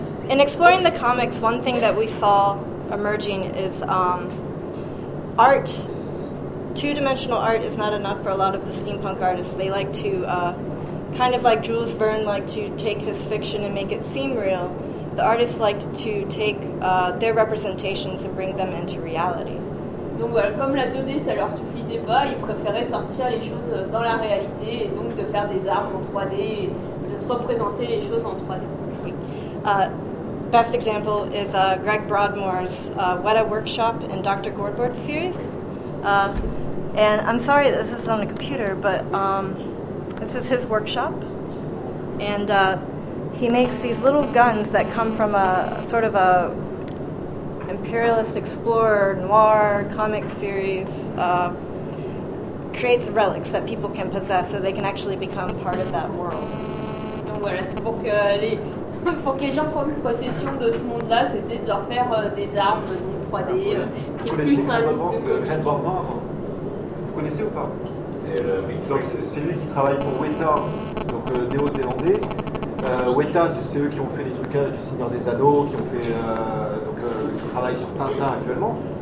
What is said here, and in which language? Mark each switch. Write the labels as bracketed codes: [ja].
[en] In exploring the comics, one thing that we saw emerging is art. Two-dimensional art is not enough for a lot of the steampunk artists. They like to, kind of like Jules Verne liked to take his fiction and make it seem real. The artists liked to take their representations and bring them into reality. [fr] Donc voilà, comme la 2D ça leur suffisait pas, ils préféraient sortir les choses dans la réalité et donc de faire des armes en 3D et de se représenter les choses en 3D. [en] Best example is Greg Broadmoor's Weta Workshop and Dr. Gordbert series. And I'm sorry that this is on a computer, but this is his workshop. And he makes these little guns that come from a sort of a imperialist explorer noir comic series. Creates relics that people can possess so they can actually become part of that world. [fr] Donc voilà, c'est pour que les gens prennent possession de ce monde-là, c'était de leur faire des armes 3D, qui est plus un look de Greg Broadmoor. Vous connaissez ou pas? C'est lui qui travaille pour Weta, donc néo-zélandais. Weta, c'est eux qui ont fait les trucages du Seigneur des Anneaux, qui ont fait qui travaille sur Tintin actuellement.